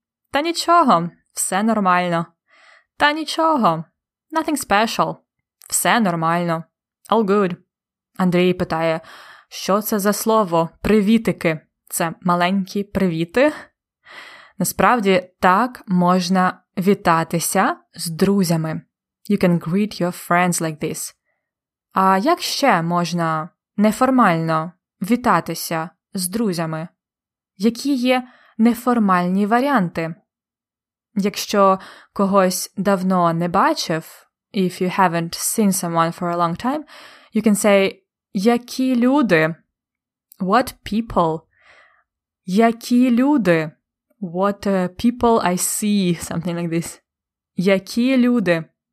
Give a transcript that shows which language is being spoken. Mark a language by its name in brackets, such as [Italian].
[Ukrainian] Та нічого! Все нормально! Та нічого! [English] Nothing special! [Ukrainian] Все нормально! [English] All good!» [Ukrainian] Андрій питає, що це за слово «привітики»? Це маленькі привіти? Насправді, так можна вітатися з друзями. [English] You can greet your friends like this. [Ukrainian] А як ще можна неформально вітатися з друзями? Які є неформальні варіанти. Якщо когось давно не бачив, [English] if you haven't seen someone for a long time, you can say [Ukrainian] «які люди?» [English] What people? [Ukrainian] «Які люди?» [English] What people I see? Something like this. [Ukrainian] «Які люди?»